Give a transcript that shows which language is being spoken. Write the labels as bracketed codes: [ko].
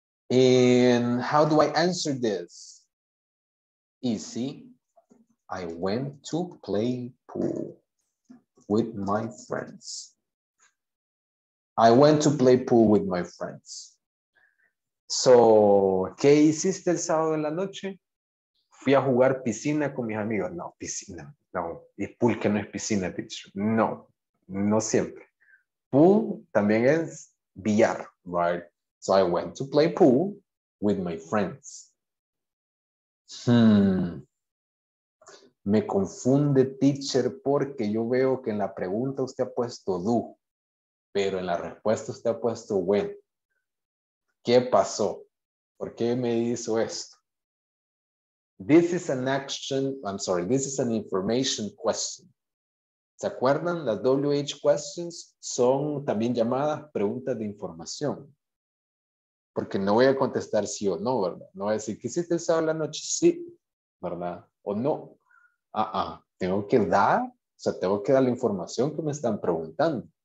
[en] And how do I answer this? Easy. I went to play pool with my friends. I went to play pool with my friends. [es] So, ¿qué hiciste el sábado en la noche? Fui a jugar piscina con mis amigos. No, piscina. No, y pool que no es piscina, teacher. No, no siempre. Pool también es billar, right? [en] So I went to play pool with my friends. [es] Me confunde, teacher, porque yo veo que en la pregunta usted ha puesto do, pero en la respuesta usted ha puesto when. ¿Qué pasó? ¿Por qué me hizo esto? [en] This is an action, I'm sorry, this is an information question. [es] ¿Se acuerdan? Las WH questions son también llamadas preguntas de información. Porque no voy a contestar sí o no, ¿verdad? No voy a decir, ¿quisiste el sábado la noche? Sí, ¿verdad? O no. Tengo que dar, o sea, tengo que dar la información que me están preguntando.